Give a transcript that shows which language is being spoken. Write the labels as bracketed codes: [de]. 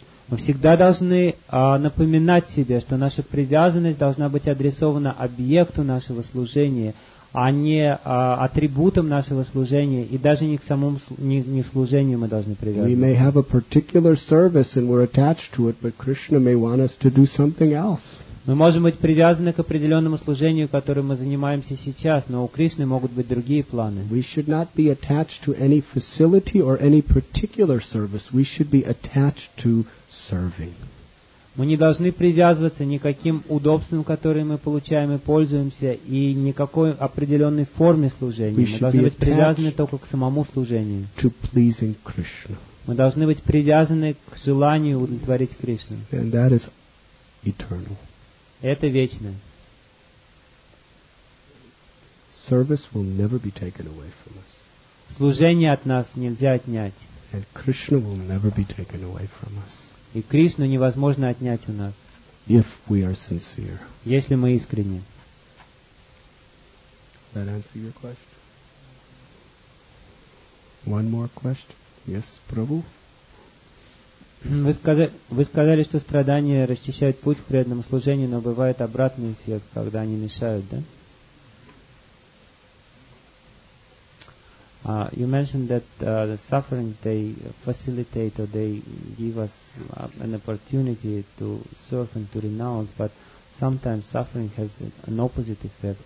[ru] Мы всегда должны напоминать себе, что наша привязанность должна быть адресована объекту нашего служения, а не атрибутам нашего служения, и даже не к самому не служению мы должны привязываться. [en] We may have a particular service and we're attached to it, but Krishna may want us to do something else. [ru] Мы можем быть привязаны к определенному служению, которым мы занимаемся сейчас, но у Кришны могут быть другие планы. [en] We should not be attached to any facility or any particular service. We should be attached to serving. [ru] Мы не должны привязываться ни к каким удобствам, которые мы получаем и пользуемся, и никакой определенной форме служения. [en] We [ru] мы должны быть привязаны только к самому служению. [en] To pleasing Krishna. [ru] Мы должны быть привязаны к желанию удовлетворить Кришну. [en] And that is eternal. [ru] Это вечное. [en] Service will never be taken away from us. [ru] Служение от нас нельзя отнять. [en] And Krishna will never be taken away from us. [ru] И Кришну невозможно отнять у нас. [en] If we are sincere. [ru] Если мы искренни. [en] Does that answer your question? One more question. Yes, Prabhu? [ru] Вы сказали, что страдания расчищают путь к преданному служению, но бывает обратный эффект, когда они мешают, да? [en] You mentioned that the suffering, they facilitate or they give us an opportunity to serve and to renounce, but sometimes suffering has an opposite effect.